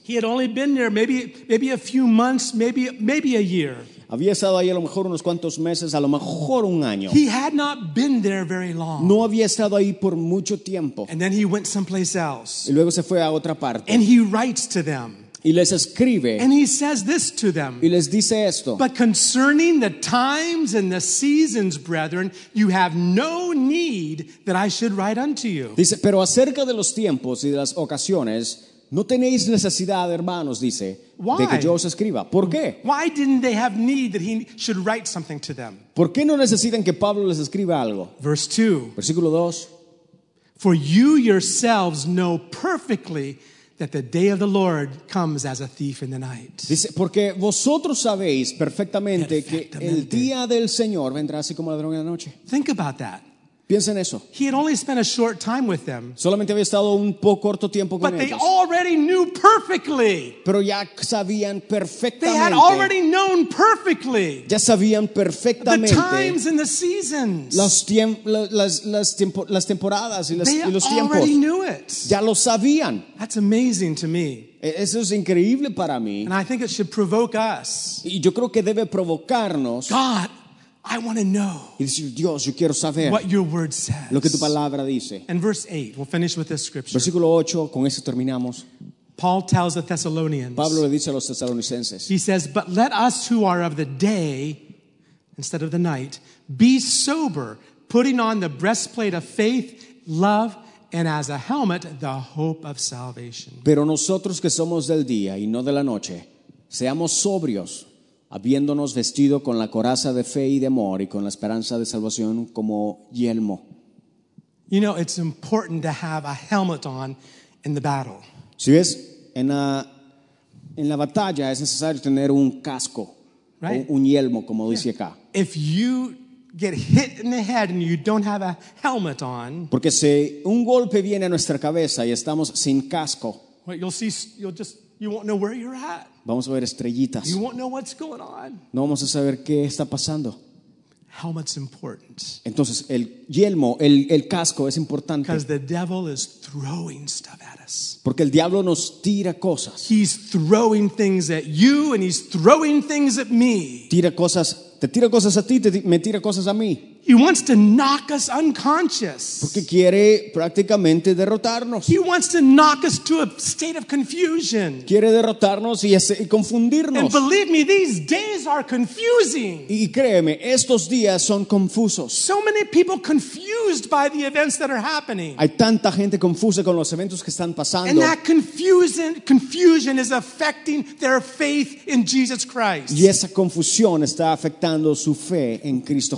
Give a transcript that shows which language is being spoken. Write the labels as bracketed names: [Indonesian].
[English] He had only been there maybe a few months, maybe a year. [Spanish] Había estado ahí a lo mejor unos cuantos meses, a lo mejor un año. [English] He had not been there very long. [Spanish] No había estado ahí por mucho tiempo. [English] And then he went someplace else. [Spanish] Y luego se fue a otra parte. [English] And he writes to them. [Spanish] Y les escribe. [English] And he says this to them. [Spanish] Y les dice esto. [English] But concerning the times and the seasons, brethren, you have no need that I should write unto you. [Spanish] Dice, pero acerca de los tiempos y de las ocasiones, no tenéis necesidad, hermanos, dice, [English] why? [Spanish] De que yo os escriba. ¿Por qué? [English] Why didn't they have need that he should write something to them? [Spanish] ¿Por qué no necesitan que Pablo les escriba algo? [English] Verse 2. [Spanish] Versículo 2. [English] For you yourselves know perfectly that the day of the Lord comes as a thief in the night. [Spanish] Dice, porque vosotros sabéis perfectamente que el día del Señor vendrá así como ladrón en la noche. [English] Think about that. [Spanish] Piensa en eso. [English] He had only spent a short time with them. [Spanish] Solamente había estado un poco corto tiempo con ellos. [English] they already knew perfectly. [Spanish] Pero ya sabían perfectamente. [English] They had already known perfectly. [Spanish] Ya sabían perfectamente. [English] The times and the seasons. [Spanish] Las temporadas y los tiempos. [English] They already knew it. [Spanish] Ya lo sabían. [English] That's amazing to me. [Spanish] Eso es increíble para mí. [English] And I think it should provoke us. [Spanish] Y yo creo que debe provocarnos. [English] God, I want to know. [Spanish] Y decir, Dios, yo quiero saber [English] what your word says. [Spanish] Lo que tu palabra dice. [English] And verse 8, we'll finish with this scripture. [Spanish] Versículo 8, con eso terminamos. [English] Paul tells the Thessalonians. [Spanish] Pablo le dice a los tesalonicenses. [English] He says, but let us who are of the day instead of the night be sober, putting on the breastplate of faith, love, and as a helmet the hope of salvation. [Spanish] Pero nosotros que somos del día y no de la noche, seamos sobrios, habiéndonos vestido con la coraza de fe y de amor y con la esperanza de salvación como yelmo. [English] You know, it's important to have a helmet on in the battle. [Spanish] Si ves, en la batalla es necesario tener un casco, [English] right? [Spanish] un yelmo, como [English] yeah. [Spanish] dice acá. [English] If you get hit in the head and you don't have a helmet on, [Spanish] porque si un golpe viene a nuestra cabeza y estamos sin casco, [English] well, you won't know where you're at. [Spanish] Vamos a ver estrellitas. [English] You won't know what's going on. [Spanish] No vamos a saber qué está pasando. [English] Helmet's important. [Spanish] Entonces, el yelmo, el casco es importante. [English] Because the devil is throwing stuff at us. [Spanish] Porque el diablo nos tira cosas. [English] He's throwing things at you and he's throwing things at me. [Spanish] Te tira cosas a ti, me tira cosas a mí. [English] He wants to knock us unconscious. [Spanish] Porque quiere prácticamente derrotarnos. [English] He wants to knock us to a state of confusion. [Spanish] Quiere derrotarnos y confundirnos. [English] And believe me, these days are confusing. [Spanish] Y créeme, estos días son confusos. [English] So many people confused by the events that are happening. [Spanish] Hay tanta gente confusa con los eventos que están pasando. [English] And that confusion is affecting their faith in Jesus Christ. [Spanish] Y esa confusión está afectando su fe en Cristo